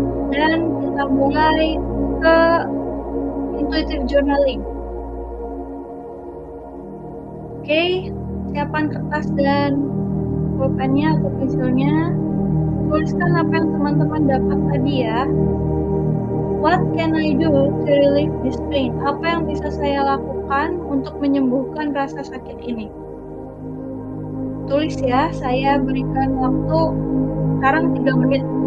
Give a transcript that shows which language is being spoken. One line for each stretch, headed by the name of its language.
Indonesian: Dan kita mulai ke intuitive journaling. Oke, siapkan kertas dan pulpennya atau pensilnya. Tuliskan apa yang teman-teman dapat tadi ya.
English: What can I do to relieve this pain?
Indonesian: Apa yang bisa saya lakukan untuk menyembuhkan rasa sakit ini? Tulis ya, saya berikan waktu sekarang 3 menit.